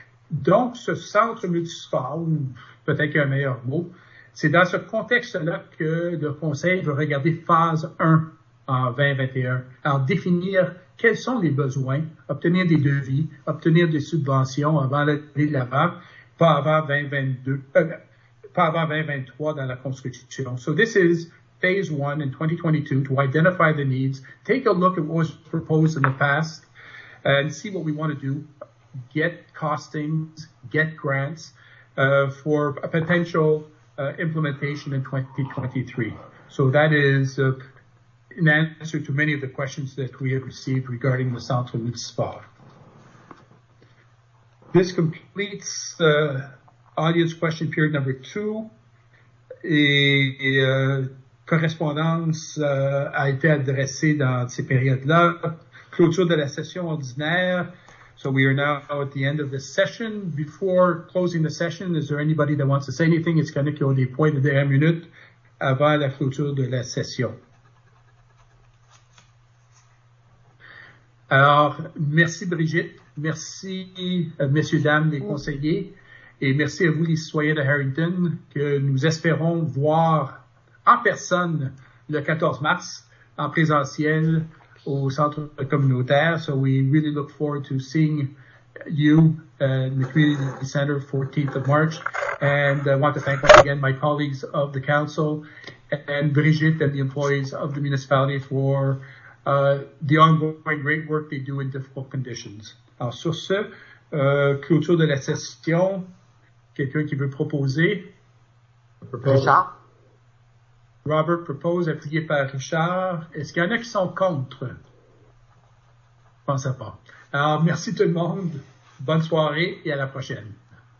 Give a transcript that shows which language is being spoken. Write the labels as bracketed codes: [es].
[fr] Donc, ce centre multisport, ou peut-être un meilleur mot, c'est dans ce contexte-là que le conseil veut regarder phase 1 en 2021, en définir quels sont les besoins, obtenir des devis, obtenir des subventions avant d'aller de l'avant, pas avant 2023 dans la construction. [en] So this is phase 1 in 2022 to identify the needs, take a look at what was proposed in the past, and see what we want to do. Get costings, get grants for a potential implementation in 2023. So that is an answer to many of the questions that we have received regarding the Centre Multisport. This completes audience question period number 2. [fr] Et correspondance a été adressée dans ces périodes-là. Clôture de la session ordinaire. [en] So we are now at the end of the session. Before closing the session, is there anybody that wants to say anything? It's going to kill the point of the [fr] dernière minute avant la clôture de la session. Alors, merci Brigitte. Merci, messieurs, dames, les conseillers. Et merci à vous, les citoyens de Harrington, que nous espérons voir en personne le 14 mars, en présentiel, au centre communautaire. [en] So we really look forward to seeing you in the community center 14th of March. And I want to thank once again my colleagues of the council and Brigitte and the employees of the municipality for the ongoing great work they do in difficult conditions. [fr] Alors sur ce, clôture de la session, quelqu'un qui veut proposer? Robert propose, appuyé par Richard. Est-ce qu'il y en a qui sont contre? Je ne pense pas. Alors, merci tout le monde. Bonne soirée et à la prochaine.